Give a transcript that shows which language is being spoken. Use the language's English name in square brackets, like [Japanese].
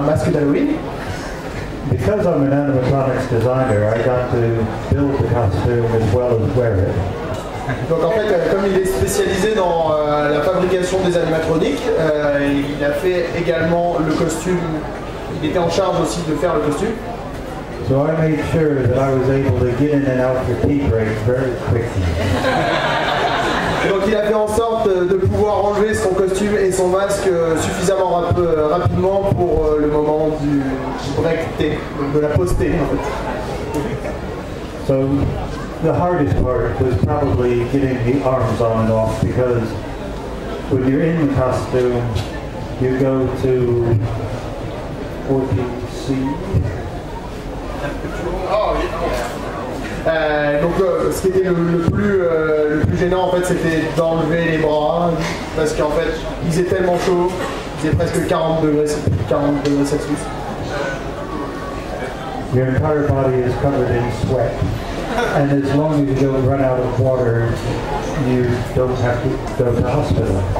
[English] Because I'm an animatronics designer, I got to build the costume as well as wear it. [French] Donc en fait, comme il est spécialisé dans la fabrication des animatroniques, il a fait également le costume. Il était en charge aussi de faire le costume. [English] So I made sure that I was able to get in and out the tea break very quickly. [French] Donc il a fait en sorte de pouvoir enlever son costume et son masque suffisamment rapidement pour le moment du break-té, de la pause-té en fait. [English] So, the hardest part was probably getting the arms on and off, because when you're in the costume, you go to 14C. [French] Donc ce qui était le plus gênant en fait, c'était d'enlever les bras, parce qu'en fait il faisait tellement chaud, il faisait presque 40 degrés, c'est plus de 40 degrés Celsius. [English] Your entire body is covered in sweat, and as long as you don't run out of water, you don't have to go to hospital.